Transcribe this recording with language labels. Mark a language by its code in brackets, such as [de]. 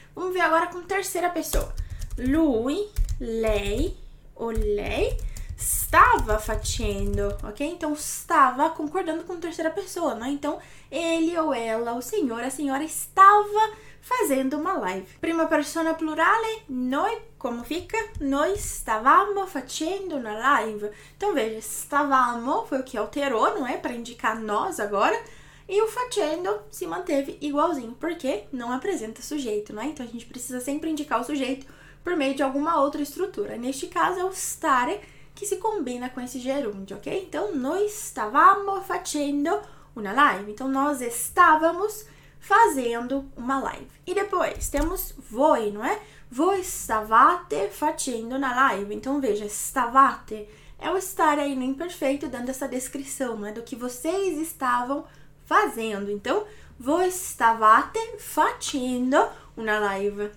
[pt] Vamos ver agora com terceira pessoa. Lui, lei ou [it] lei stava facendo, [pt] ok? Então stava concordando com terceira pessoa, não é? Então ele ou ela, o senhor, a senhora estava fazendo uma live. [it] Prima persona plurale, noi, [pt] como fica? [it] Noi stavamo facendo una live. [pt] Então veja, stavamo foi o que alterou, não é? Para indicar nós agora. E o facendo se manteve igualzinho, porque não apresenta sujeito, não é? Então a gente precisa sempre indicar o sujeito por meio de alguma outra estrutura. Neste caso é o stare que se combina com esse gerúndio, ok? [it] Então noi stavamo facendo una live. [pt] Então nós estávamos fazendo uma live. E depois temos voi, não é? [it] Voi stavate facendo na live. [pt] Então veja, stavate é o estar aí no imperfeito, dando essa descrição, não é? Do que vocês estavam fazendo. [it] Então, voi stavate facendo una live.